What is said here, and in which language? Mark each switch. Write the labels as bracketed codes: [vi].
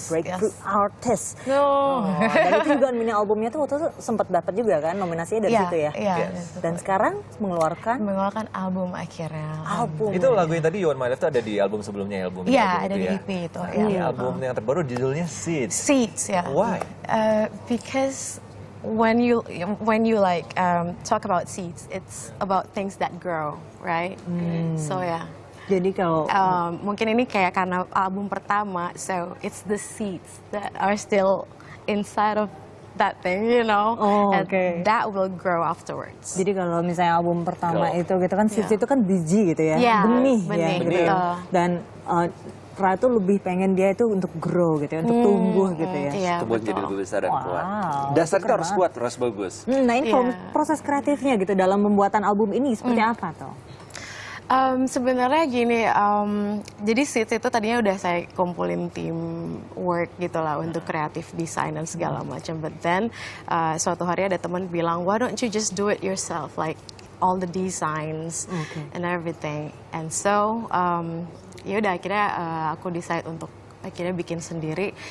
[id] Breakthrough Artist. Dan itu juga mini albumnya tuh waktu itu sempat dapat juga kan nominasinya dari situ ya. Dan sekarang mengeluarkan album akhirnya. Album. Itu lagu yang tadi You On My Left tuh ada di album sebelumnya album. Iya, ada di EP itu. Ini album yang terbaru judulnya Seeds. [en] Seeds, yeah. Why? Because when you like talk about seeds, it's about things that grow, right? So yeah. [id] Jadi kalau mungkin ini kayak karena album pertama, [en] so it's the seeds that are still inside of that thing, you know, and that will grow afterwards. [id] Jadi kalau misalnya album pertama itu gitu kan seeds itu kan biji gitu ya, benih. Dan Ra itu lebih pengen dia itu untuk grow gitu ya, untuk tumbuh gitu ya. Tumbuh jadi lebih besar dan kuat. Dasar kita harus kuat, harus bagus. Nah ini proses kreatifnya gitu dalam pembuatan album ini seperti apa tuh? Sebenarnya gini, jadi Seeds itu tadinya udah saya kumpulin tim work gitu lah untuk kreatif desain dan segala macam. [en] But then [id] suatu hari ada teman bilang, [en] why don't you just do it yourself, like all the designs and everything. And so [id] yaudah akhirnya aku decide untuk akhirnya bikin sendiri.